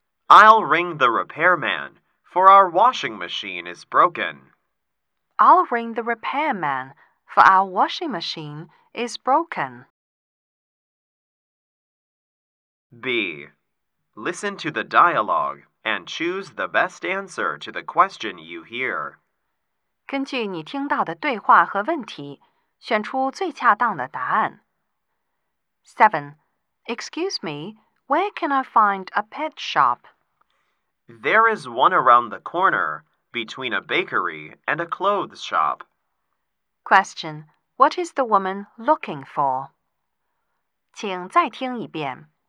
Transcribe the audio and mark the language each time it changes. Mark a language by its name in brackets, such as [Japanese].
[English] I'll ring the repairman, for our washing machine is broken. I'll ring the repairman, for our washing machine is broken. B. Listen to the dialogue and choose the best answer to the question you hear. [Chinese] 根据你听到的对话和问题，选出最恰当的答案。 [English] 7. Excuse me, where can I find a pet shop? There is one around the corner, between a bakery and a clothes shop. Question, what is the woman looking for? [Chinese] 请再听一遍。